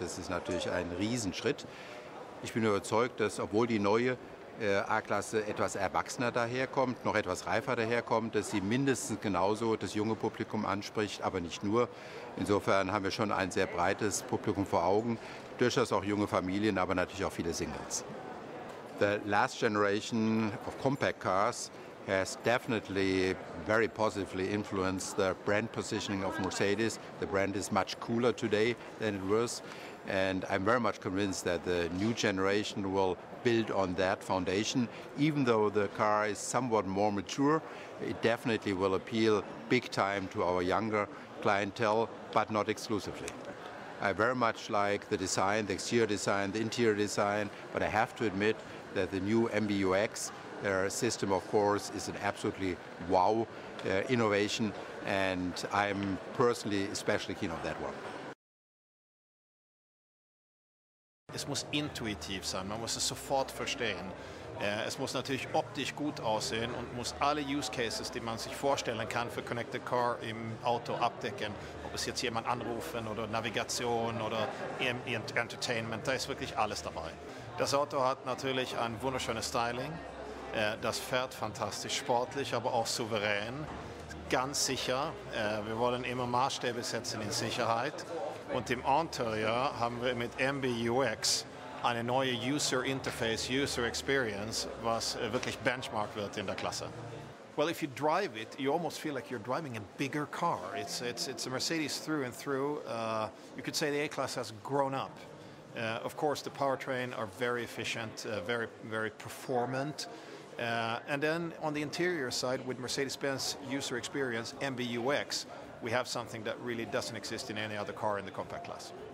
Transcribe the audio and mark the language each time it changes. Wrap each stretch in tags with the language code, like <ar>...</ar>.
<de>Das ist natürlich ein Riesenschritt. Ich bin überzeugt, dass obwohl die neue A-Klasse etwas erwachsener daherkommt, noch etwas reifer daherkommt, dass sie mindestens genauso das junge Publikum anspricht, aber nicht nur. Insofern haben wir schon ein sehr breites Publikum vor Augen, durchaus auch junge Familien, aber natürlich auch viele Singles.</de> <en>The last generation of compact cars has definitely very positively influenced the brand positioning of Mercedes. The brand is much cooler today than it was. And I'm very much convinced that the new generation will build on that foundation. Even though the car is somewhat more mature, it definitely will appeal big time to our younger clientele, but not exclusively. I very much like the design, the exterior design, the interior design, but I have to admit that the new MBUX, their system, of course, is an absolutely wow innovation, and I'm personally especially keen on that one.</en> <de>Es muss intuitiv sein, man muss es sofort verstehen. Es muss natürlich optisch gut aussehen und muss alle Use Cases, die man sich vorstellen kann für Connected Car im Auto abdecken. Ob es jetzt jemand anrufen oder Navigation oder Entertainment, da ist wirklich alles dabei. Das Auto hat natürlich ein wunderschönes Styling. Das fährt fantastisch sportlich, aber auch souverän. Ganz sicher. Wir wollen immer Maßstäbe setzen in Sicherheit. Und im Interieur haben wir mit MBUX eine neue User Interface, User Experience, was wirklich Benchmark wird in der Klasse.</de> <en>Well, if you drive it, you almost feel like you're driving a bigger car. It's a Mercedes through and through. You could say the A-Class has grown up. Of course, the powertrain are very efficient, very, very performant. And then on the interior side, with Mercedes-Benz User Experience, MBUX, we have something that really doesn't exist in any other car in the compact class.</en>